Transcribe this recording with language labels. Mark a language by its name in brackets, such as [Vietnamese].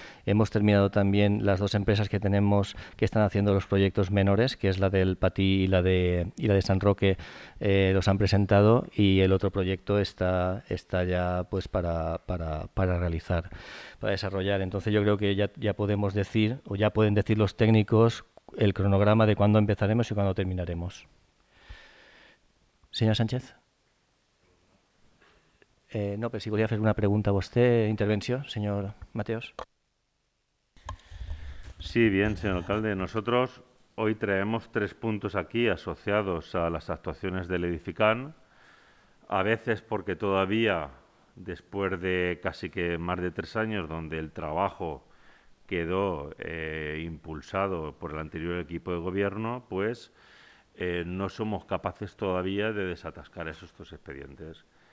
[Spanish] Hemos terminado también las dos empresas que tenemos que están haciendo los proyectos menores, que es la del Patí y la de San Roque, los han presentado, y el otro proyecto está ya pues para realizar, para desarrollar. Entonces yo creo que ya podemos decir, o ya pueden decir los técnicos, el cronograma de cuándo empezaremos y cuándo terminaremos. Señor Sánchez. [Catalan] No, pero si volia fer una pregunta a vostè, intervenció, senyor Mateos. [Spanish] Sí, bien, señor alcalde. Nosotros hoy traemos tres puntos aquí asociados a las actuaciones del Edifican, a veces porque todavía, después de casi que más de tres años, donde el trabajo quedó impulsado por el anterior equipo de gobierno, pues no somos capaces todavía de desatascar esos dos expedientes.